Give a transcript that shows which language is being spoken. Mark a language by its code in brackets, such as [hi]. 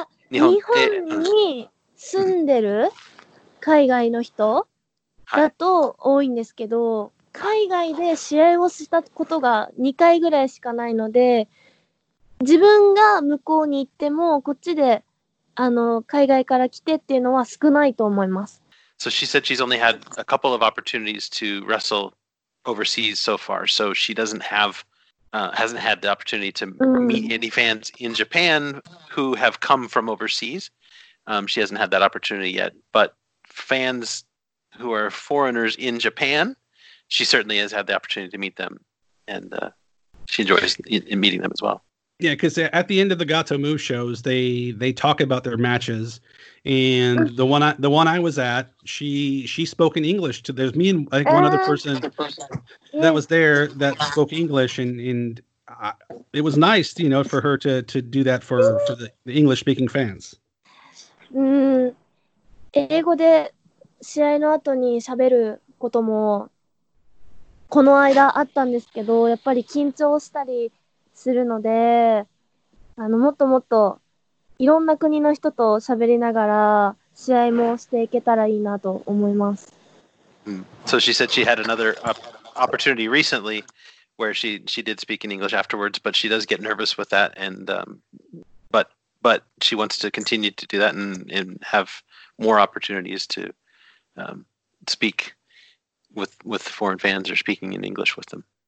[ja] 日本に住んでる海外の人だと多いんですけど、はい、海外で試合をしたことが2回ぐらいしかないので、自分が向こうに行ってもこっちで海外から来てっていうのは少ないと思います。 [en] So she said she's only had a couple of opportunities to wrestle overseas so far. So she hasn't had the opportunity to meet any fans in Japan who have come from overseas. She hasn't had that opportunity yet. But fans who are foreigners in Japan, she certainly has had the opportunity to meet them. And she enjoys in meeting them as well. Yeah, because at the end of the Gato Move shows, they talk about their matches. And the one I was at, she spoke in English. There's me and like one other person that was there that spoke English. And it was nice, for her to do that for the English-speaking fans. [ja] 英語で試合の後に喋ることもこの間あったんですけど、やっぱり緊張したりするので、もっともっといろんな国の人と喋りながら試合もしていけたらいいなと思います。 [en] So she said she had another opportunity recently where she did speak in English afterwards, but she does get nervous with that and but she wants to continue to do that and have more opportunities to speak with foreign fans or speaking in English with them.